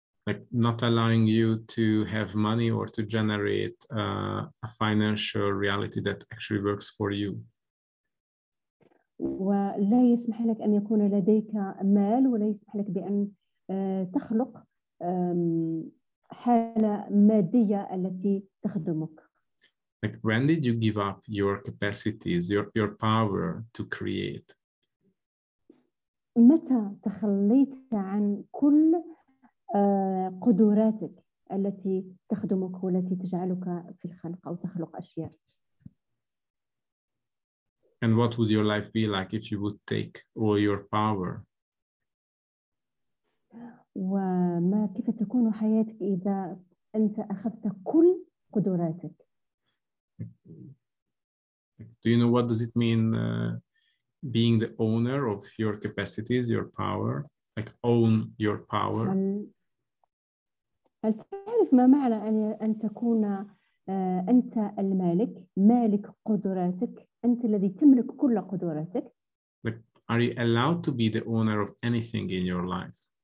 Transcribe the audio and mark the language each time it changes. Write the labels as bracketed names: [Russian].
[English] Like not allowing you to have money or to generate a financial reality that actually works for you. [Arabic] ولا يسمح لك أن يكون لديك مال، ولا يسمح لك بأن تخلق حالة مادية التي تخدمك. [English] Like when did you give up your capacities, your power to create? [Arabic] متى تخليت عن كل قدراتك التي تخدمك والتي تجعلك في الخلق أو تخلق أشياء؟ [English] And what would your life be like if you would take all your power? [Arabic] وما كيف تكون حياتك إذا أنت أخذت كل قدراتك؟ [English] Do you know what does it mean being the owner of your capacities, your power? Like own your power? [Arabic] هل تعرف ما معنى أن تكون أنت المالك، مالك قدراتك، أنت الذي تملك كل قدراتك؟ [English] Like, are you allowed to be the owner of anything in your life?